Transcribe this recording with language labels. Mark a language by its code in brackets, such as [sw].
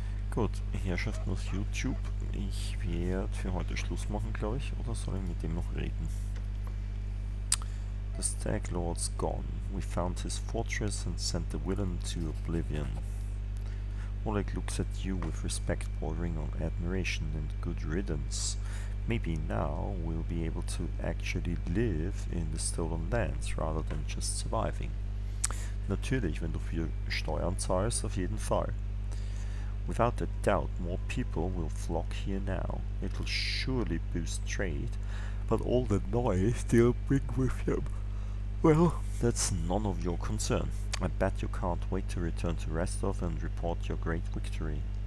[de] Gut, Herrschaft aus YouTube. Ich werde für heute Schluss machen, glaube ich. Oder soll ich mit dem noch reden? [en] The Stag Lord's gone. We found his fortress and sent the villain to oblivion. Oleg looks at you with respect bordering on admiration and good riddance. Maybe now we'll be able to actually live in the stolen lands rather than just surviving. [de] Natürlich, wenn du für Steuern zahlst, auf jeden Fall. [en] Without a doubt, more people will flock here now. It'll surely boost trade, but all the noise they'll bring with you. Well, that's none of your concern. I bet you can't wait to return to Restov and report your great victory.